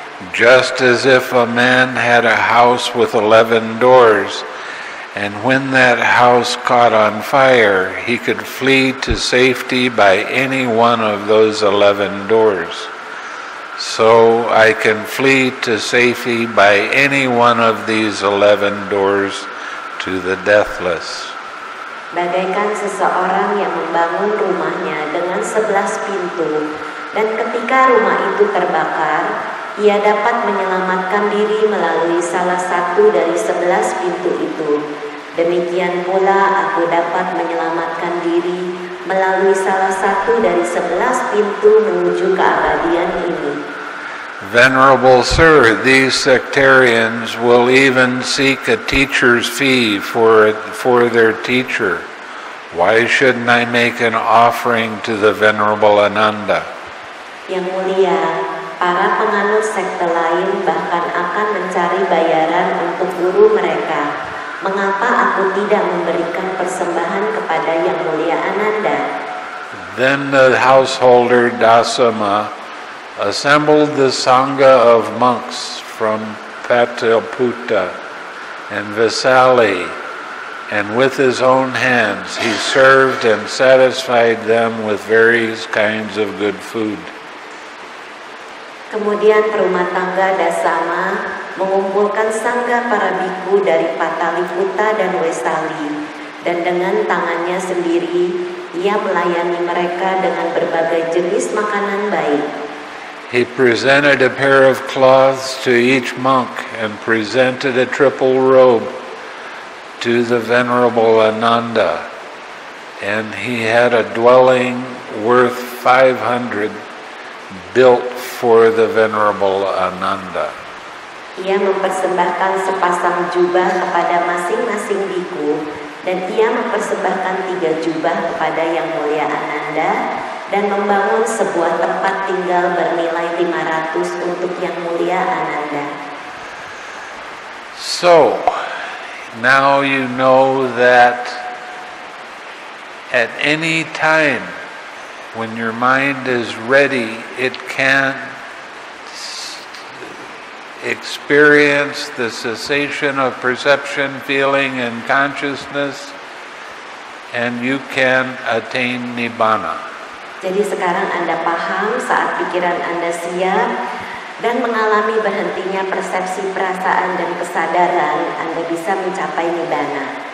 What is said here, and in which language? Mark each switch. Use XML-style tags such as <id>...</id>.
<en>Just as if a man had a house with 11 doors, and when that house caught on fire, he could flee to safety by any one of those 11 doors. So I can flee to safety by any one of these 11 doors to the deathless.</en> <id>Bagaikan seseorang yang membangun rumahnya dengan 11 pintu, dan ketika rumah itu terbakar, ia dapat menyelamatkan diri melalui salah satu dari 11 pintu itu. Demikian pula aku dapat menyelamatkan diri melalui salah satu dari 11 pintu menuju keabadian ini.</id> <en>Venerable Sir, these sectarians will even seek a teacher's fee for their teacher. Why shouldn't I make an offering to the Venerable Ananda?</en> <id>Yang Mulia, para penganut sekte lain bahkan akan mencari bayaran untuk guru mereka. Mengapa aku tidak memberikan persembahan kepada Yang Mulia Ananda?</id> <en>Then the householder Dasama assembled the Sangha of monks from Pataliputra and Vaishali, and with his own hands he served and satisfied them with various kinds of good food.</en> <id>Kemudian perumah tangga Dasama mengumpulkan sangga para bhikkhu dari Pataliputra dan Vaishali, dan dengan tangannya sendiri ia melayani mereka dengan berbagai jenis makanan baik.</id> <en>He presented a pair of cloths to each monk and presented a triple robe to the Venerable Ananda. And he had a dwelling worth 500 built for the Venerable Ananda.</en> <id>Ia mempersembahkan sepasang jubah kepada masing-masing bhikkhu, dan ia mempersembahkan 3 jubah kepada Yang Mulia Ananda, dan membangun sebuah tempat tinggal bernilai 500 untuk Yang Mulia Ananda.</id> <en>So, now you know that at any time when your mind is ready, it can experience the cessation of perception, feeling, and consciousness, and you can attain Nibbana.</en> <id>Jadi sekarang Anda paham saat pikiran Anda siap dan mengalami berhentinya persepsi, perasaan, dan kesadaran, Anda bisa mencapai Nibbana.</id>